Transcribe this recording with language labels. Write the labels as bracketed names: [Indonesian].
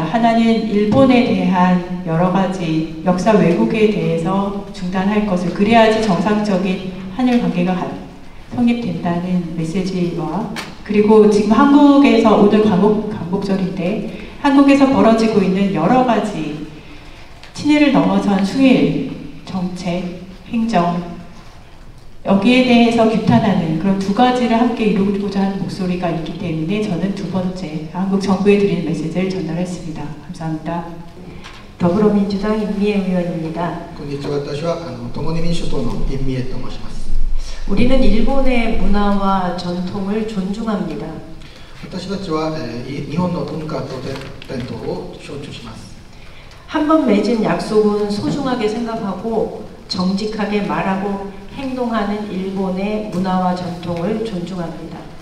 [Korean] 하나는 일본에 대한 여러 가지 역사 왜곡에 대해서 중단할 것을, 그래야지 정상적인 한일 관계가 성립된다는 메시지와, 그리고 지금 한국에서 오늘 광복절인데 한국에서 벌어지고 있는 여러 가지 친일을 넘어선 수일 정책, 행정, 여기에 대해서 규탄하는 그런 두 가지를 함께 이루고자 하는 목소리가 있기 때문에 저는 두 번째 한국 정부에 드리는 메시지를 전달했습니다. 감사합니다. 더불어민주당 임미애 의원입니다. [Japanese] こんにちは、私は共に民主党の임미애と申します。 [Korean] 우리는 일본의 문화와 전통을 존중합니다. [Japanese] 私たちは日本の文化と伝統を尊重します。 [Korean] 한번 맺은 약속은 소중하게 생각하고 정직하게 말하고 행동하는 일본의 문화와 전통을 존중합니다.